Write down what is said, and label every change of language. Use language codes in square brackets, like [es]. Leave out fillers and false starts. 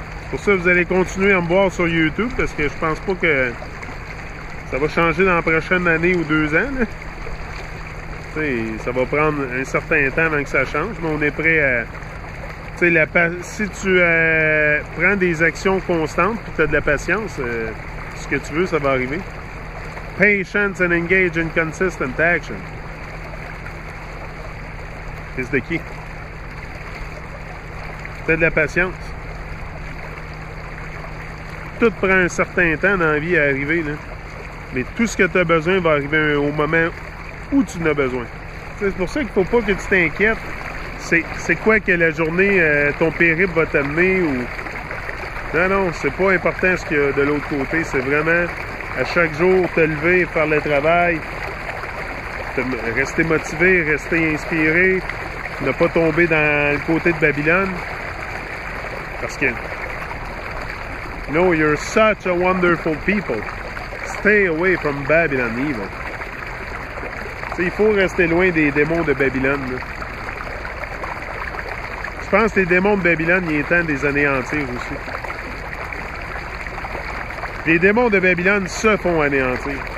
[fr] Pour ça, vous allez continuer à me voir sur YouTube, parce que je pense pas que ça va changer dans la prochaine année ou 2 ans. Tu sais, ça va prendre un certain temps avant que ça change, mais on est prêt à... Tu sais, prends des actions constantes puis tu as de la patience, ce que tu veux, ça va arriver. [en] Patience and engage in consistent action. [fr] C'est de qui? Tu as de la patience. Tout prend un certain temps dans la vie à arriver, là. Mais tout ce que tu as besoin va arriver au moment où tu en as besoin. T'sais, c'est pour ça qu'il faut pas que tu t'inquiètes. C'est quoi que la journée, ton périple va t'amener ou... Non, c'est pas important ce qu'il y a de l'autre côté. C'est vraiment, à chaque jour, te lever, faire le travail, rester motivé, rester inspiré, ne pas tomber dans le côté de Babylone. Parce que... [en] No, you're such a wonderful people. Stay away from Babylon evil. [fr] T'sais, il faut rester loin des démons de Babylone, là. Je pense que les démons de Babylone, ils étaient des anéantir aussi. Les démons de Babylone se font anéantir.